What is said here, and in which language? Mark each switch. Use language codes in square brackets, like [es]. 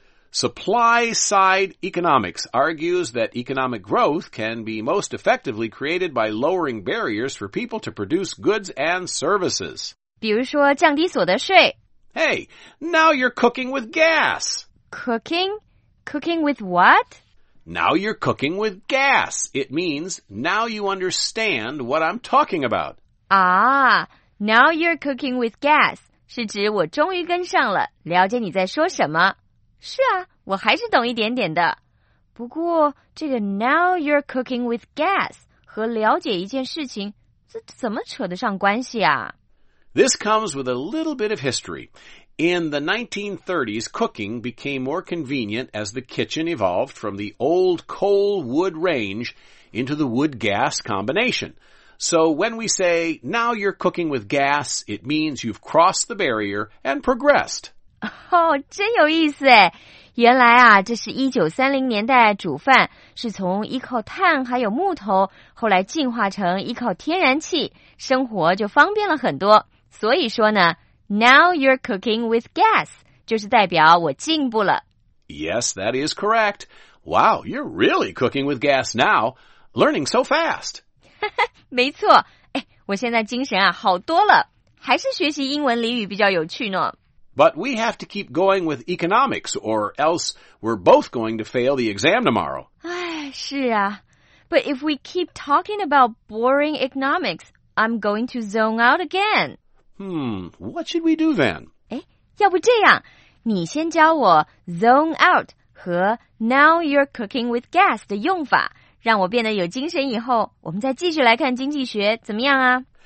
[en] Supply side economics argues that economic growth can be most effectively created by lowering barriers for people to produce goods and services. [zh] 比如说降低所得税。 [en] Hey, now you're cooking with gas. Cooking? Cooking with what? Now you're cooking with gas. It means, now you understand what I'm talking about. Now you're cooking with gas. [zh] 是指我终于跟上了，了解你在说什么。是啊，我还是懂一点点的。不过，这个 [en] now you're cooking with gas [zh] 和了解一件事情，这怎么扯得上关系啊？ [en] This comes with a little bit of history. In the 1930s, cooking became more convenient as the kitchen evolved from the old coal-wood range into the wood-gas combination. So when we say, now you're cooking with gas, it means you've crossed the barrier and progressed. [zh] 真有意思诶。原来啊，这是1930年代煮饭是从依靠碳还有木头，后来进化成依靠天然气，生活就方便了很多。所以说呢， [en] Now you're cooking with gas, [zh] 就是代表我进步了。 [en] Yes, that is correct. Wow, you're really cooking with gas now, learning so fast. [zh] 没错，我现在精神啊好多了，还是学习英文俚语比较有趣呢。 [en] But we have to keep going with economics, or else we're both going to fail the exam tomorrow. [zh] 哎，是啊。 [en] But if we keep talking about boring economics, I'm going to zone out again. What should we do then? [zh] 哎，要不这样，你先教我 [en] zone out [zh] 和 [en] now you're cooking with gas [zh] 的用法，让我变得有精神以后，我们再继续来看经济学，怎么样啊？